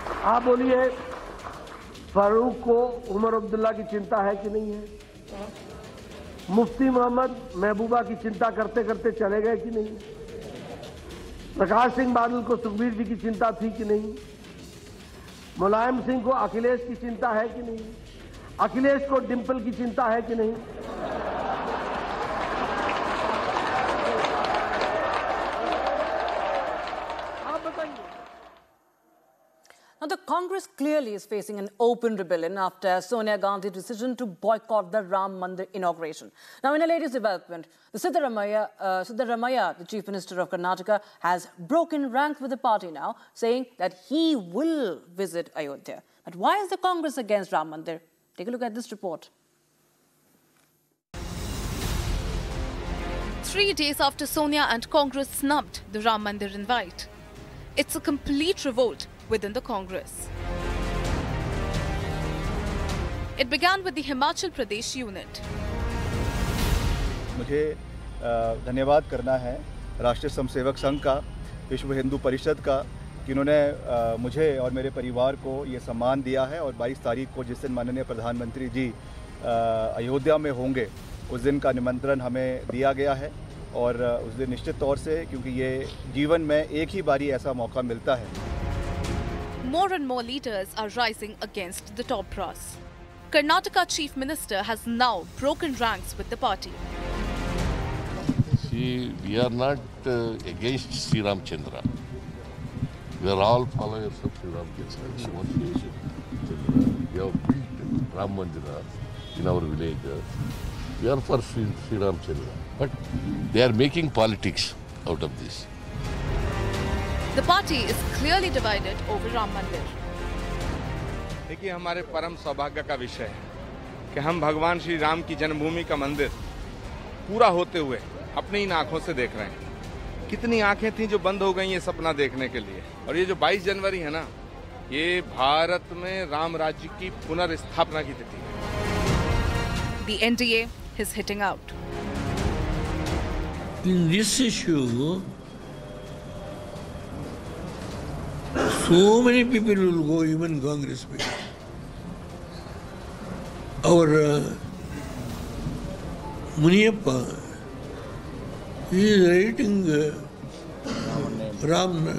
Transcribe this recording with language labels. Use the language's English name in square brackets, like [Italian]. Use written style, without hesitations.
[Hindi] आप बोलिए फारूक को उमर अब्दुल्ला की चिंता है कि नहीं है, मुफ्ती मोहम्मद महबूबा की चिंता करते करते चले गए कि नहीं, प्रकाश सिंह बादल को सुखबीर जी की चिंता थी कि नहीं, मुलायम सिंह को अखिलेश की चिंता है कि नहीं, अखिलेश को डिंपल की चिंता है कि नहीं, आप बताइए. [English] Now, the Congress clearly is facing an open rebellion after Sonia Gandhi's decision to boycott the Ram Mandir inauguration. Now, in a latest development, the Siddaramaiah, the Chief Minister of Karnataka, has broken rank with the party now, saying that he will visit Ayodhya. But why is the Congress against Ram Mandir? Take a look at this report. 3 days after Sonia and Congress snubbed the Ram Mandir invite, it's a complete revolt within the Congress. It began with the Himachal Pradesh unit. [Hindi] मुझे धन्यवाद करना है राष्ट्रीय स्वयंसेवक संघ का, विश्व हिंदू परिषद का, कि उन्होंने मुझे और मेरे परिवार को ये सम्मान दिया है. और 22 तारीख को जिस दिन माननीय प्रधानमंत्री जी अयोध्या में होंगे, उस दिन का निमंत्रण हमें दिया गया है. और उस दिन निश्चित तौर से, क्योंकि ये जीवन में एक ही बारी ऐसा मौका मिलता है. [English] More and more leaders are rising against the top brass. Karnataka chief minister has now broken ranks with the party. See, we are not against Sri Ramchandra. We are all followers of Sri Ramchandra. We have built Ram Mandira in our village. We are for Sri Ramchandra. But they are making politics out of this. The party is clearly divided over Ram Mandir. [Hindi] देखिए हमारे परम सौभाग्य का विषय है कि हम भगवान श्री राम की जन्मभूमि का मंदिर पूरा होते हुए अपनी इन आंखों से देख रहे हैं. कितनी आंखें थीं जो बंद हो गई ये सपना देखने के लिए. और ये जो 22 जनवरी है ना, ये भारत में राम राज्य की पुनर्स्थापना की तिथि है. [English] The NDA is hitting out. In this issue, so many people will go, even Congress people. Our Muniyappa is writing Ram.